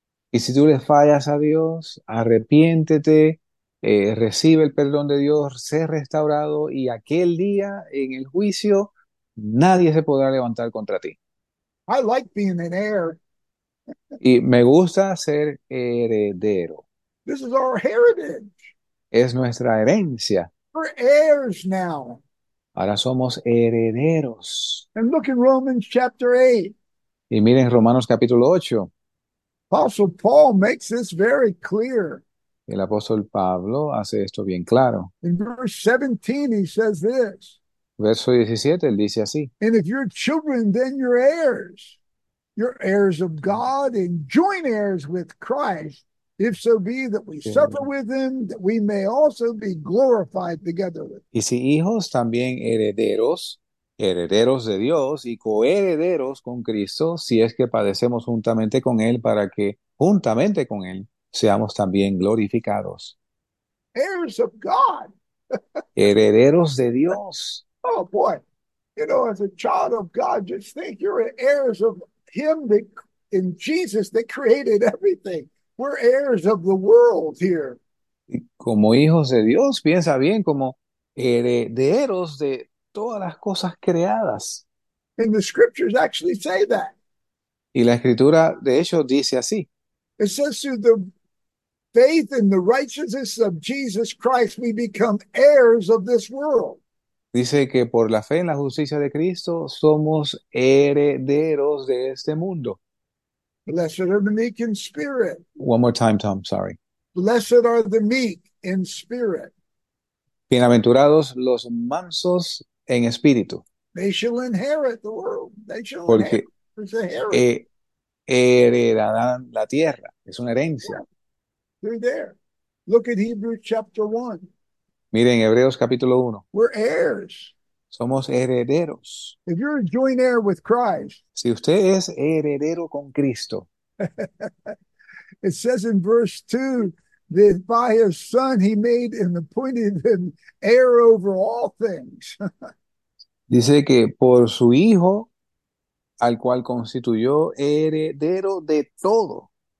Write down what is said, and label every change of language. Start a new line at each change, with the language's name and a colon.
Spanish: Y si tú le fallas a Dios, arrepiéntete, recibe el perdón de Dios, sé restaurado y aquel día en el juicio nadie se podrá levantar contra ti.
English: I like being an heir.
Spanish: Y me gusta ser heredero.
English: This is our heritage.
Spanish: Es nuestra herencia.
English: We're heirs now.
Spanish: Ahora somos herederos.
English: And look in Romans chapter 8.
Spanish: Y miren Romanos capítulo 8.
English: Apostle Paul makes this very clear.
Spanish: El apóstol Pablo hace esto bien claro.
English: In verse 17, he says this.
Spanish: Verso 17, él dice así.
English: And if you're children, then you're heirs of God and joint heirs with Christ, if so be that we suffer with him, that we may also be glorified together with him.
Spanish: Y si hijos también herederos, herederos de Dios y coherederos con Cristo, si es que padecemos juntamente con Él para que juntamente con Él seamos también glorificados.
English: Heirs of God.
Spanish: Herederos de Dios.
English: Oh boy. You know, as a child of God, just think you're heirs of him that in Jesus that created everything. We're heirs of the world here.
Spanish: Como hijos de Dios, piensa bien, como herederos de todas las cosas creadas.
English: And the scriptures actually say that.
Spanish: Y la escritura, de hecho, dice así.
English: It says through the faith and the righteousness of Jesus Christ, we become heirs of this world.
Spanish: Dice que por la fe en la justicia de Cristo somos herederos de este mundo.
English: Blessed are the meek in spirit. One more time, Tom, sorry. Blessed are the meek in spirit.
Spanish: Bienaventurados los mansos en espíritu,
English: They shall inherit the world. They shall inherit.
Spanish: porque
English: It's a heritage.
Spanish: heredarán la tierra, es una herencia.
English: They're there. Look at Hebrews chapter 1.
Spanish: Miren, Hebreos capítulo 1.
English: We're heirs.
Spanish: Somos herederos.
English: If you're a joint heir with Christ,
Spanish: Si usted es heredero con Cristo.
English: it says in verse 2 that by his son he made and appointed him heir over all things.
Spanish: Dice que por su hijo, al cual constituyó heredero de todo.